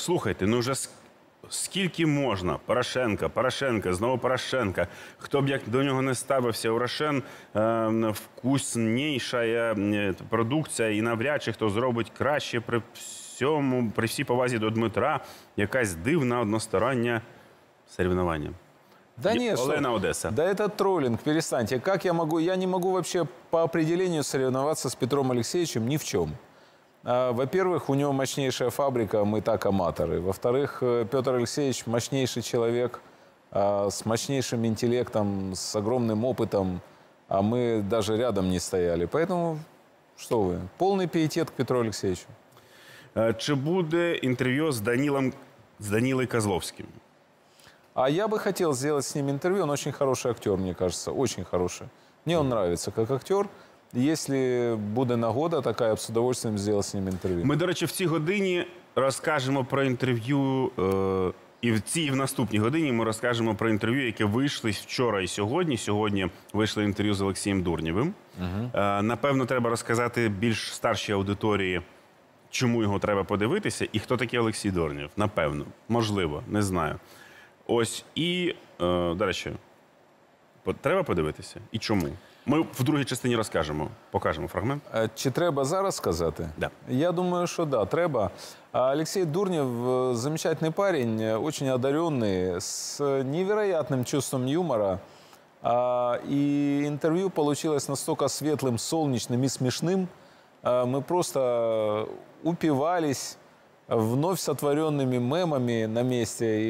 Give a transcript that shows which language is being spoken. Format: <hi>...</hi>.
<uk>Слухайте, ну вже скільки можна? Порошенка, Порошенка, знову Порошенка. Хто б як до нього не ставився, Урошен вкусніша продукція, і навряд чи хто зробить краще при всьому, при всій повазі до Дмитра, якась дивна одностороння соревнування.</uk> <ru>Да нет,</ru> <uk>Олена Одеса.</uk> <ru>Да это троллинг, перестаньте. Как я могу? Я не могу вообще по определению соревноваться с Петром Алексеевичем ни в чем. Во-первых, у него мощнейшая фабрика, мы так аматоры. Во-вторых, Петр Алексеевич мощнейший человек, с мощнейшим интеллектом, с огромным опытом, а мы даже рядом не стояли. Поэтому, что вы, полный пиетет к Петру Алексеевичу.</ru> <uk>Чи буде</uk> <ru>интервью с Данилой Козловским? А я бы хотел сделать с ним интервью, он очень хороший актер, мне кажется, очень хороший. Мне он нравится как актер. Если будет нагода такая, я бы с удовольствием сделал с ним интервью. Мы, до речи, в этой године расскажем про интервью, и в этой, и в наступной године мы расскажем про интервью, которые вышли вчера и сегодня. Сегодня вышло интервью с Алексеем Дурневым.</ru> <uk>Напевно, треба рассказать більш старшій аудитории, чому його треба подивитися,</uk> <ru>и кто такой</ru> <uk>Алексей Дурнев. Напевно, можливо, не знаю. Ось, і, до речі, треба подивитися? І чому? Ми в другій частині розкажемо, покажемо фрагмент. Чи треба зараз сказати? Да. Я думаю, що да, треба.</uk> <ru>Алексей Дурнев – замечательный парень, очень одаренный, с невероятным чувством юмора. И интервью получилось настолько светлым, солнечным и смешным. Мы просто упивались вновь сотворенными мемами на месте.</ru>